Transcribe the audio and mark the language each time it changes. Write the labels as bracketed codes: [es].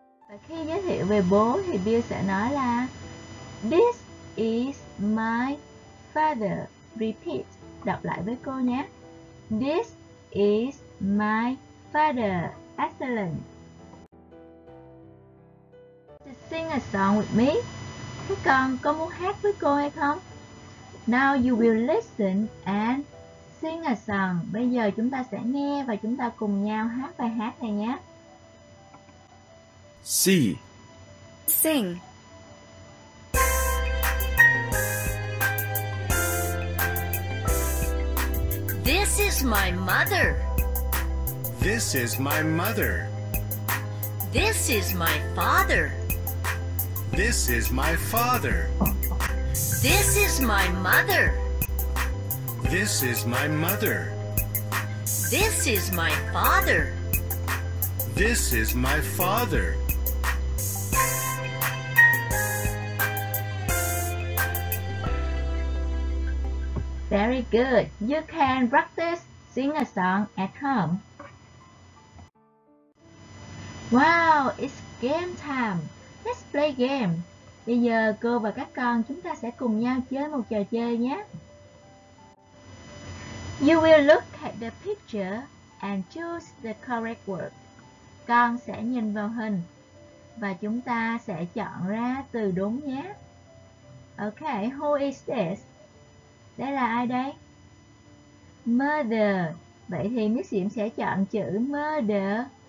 [vi] Và khi giới thiệu về bố thì Bill sẽ nói là [en] this is my father. Repeat. [vi] Đọc lại với cô nhé. [en] This is my father. Excellent. To sing a song with me. [vi] Các con có muốn hát với cô hay không? [en] Now you will listen and sing a song. [vi] Bây giờ chúng ta sẽ nghe và chúng ta cùng nhau hát bài hát này nhé. [en] See. Sing. This is my mother. This is my mother. This is my father. This is my father. This is my mother. This is my mother. This is my father. This is my father. Very good. You can practice sing a song at home. Wow, it's game time. Let's play game. [vi] Bây giờ cô và các con chúng ta sẽ cùng nhau chơi một trò chơi nhé. [en] You will look at the picture and choose the correct word. [vi] Con sẽ nhìn vào hình và chúng ta sẽ chọn ra từ đúng nhé. [en] Okay, who is this? [vi] Đây là ai đây? [en] Mother. [vi] Vậy thì Miss Diễm sẽ chọn chữ mother.